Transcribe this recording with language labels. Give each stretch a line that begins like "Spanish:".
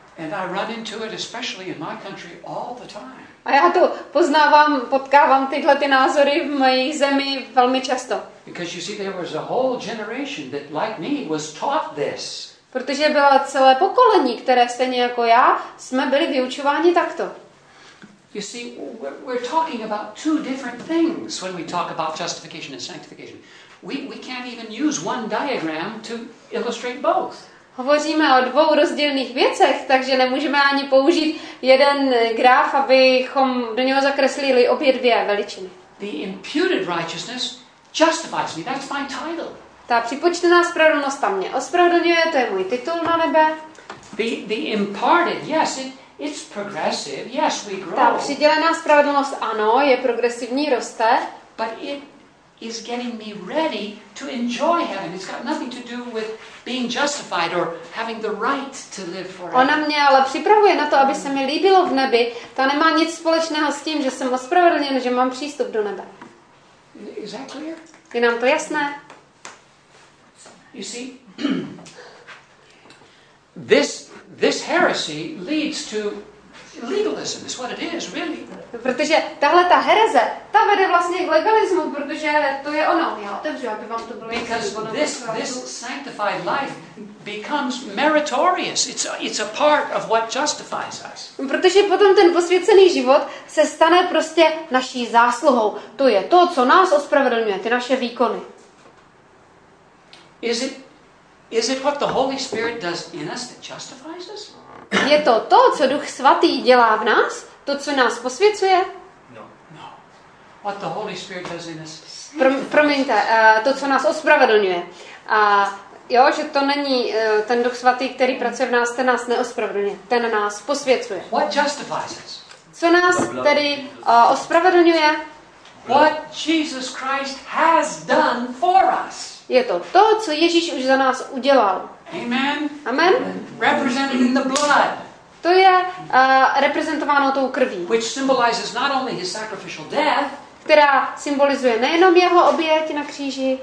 English: And I run into it especially in my country all the time.
Czech: A já to poznávám, potkávám tyhle ty názory v mojí zemi velmi často.
English: Because you see, there was a whole generation that, like me, was taught this.
Czech: Protože bylo celé pokolení, které stejně jako já, jsme byli vyučováni takto.
English: You see, we're talking about two different things when we talk about justification and sanctification. We can't even use one diagram to illustrate both.
Czech: Hovoříme o dvou rozdílných věcech, takže nemůžeme ani použít jeden graf, abychom do něho zakreslili obě dvě veličiny.
English: The imputed righteousness justifies me. That's my title.
Czech: Ta připočtená spravedlnost tam mě ospravedlňuje, to je můj titul na nebe.
English: The imparted, yes, it's progressive. Yes, we grow.
Czech: Ta přidělená spravedlnost, ano, je progresivní, roste.
English: But it is getting me ready to enjoy heaven. It's got nothing to do with being justified or having the right to live forever.
Czech: Ona mě ale připravuje na to, aby se mi líbilo v nebi. Ta nemá nic společného s tím, že jsem ospravedlněn, že mám přístup do nebe.
English: Is that clear?
Czech: Je nám to jasné?
English: You see, this heresy leads to legalism. Is what it is, really.
Czech: Protože tahle ta hereze, ta vede vlastně k legalismu, protože to je ono. Já otevřu, aby vám to bylo jasné.
English: Because this sanctified life becomes meritorious. It's a part of what justifies us.
Czech: Protože potom ten posvěcený život se stane prostě naší zásluhou. To je to, co nás ospravedlňuje, ty naše výkony.
English: Is it what the Holy Spirit does in us that justifies us?
Czech: Je to to, co Duch Svatý dělá v nás? To, co nás posvěcuje?
English: No. What the Holy Spirit does in us.
Czech: Promiňte, to, co nás ospravedlňuje. Jo, že to není ten Duch Svatý, který pracuje v nás, ten nás neospravedlňuje. Ten nás posvěcuje.
English: What justifies us?
Czech: Co nás tedy ospravedlňuje?
English: What Jesus Christ has done for us.
Czech: Je to to, co Ježíš už za nás udělal.
English: Amen.
Czech: Amen.
English: Represented in the blood.
Czech: To je reprezentováno tou krví,
English: which symbolizes not only his sacrificial death,
Czech: která symbolizuje nejenom jeho oběť na kříži,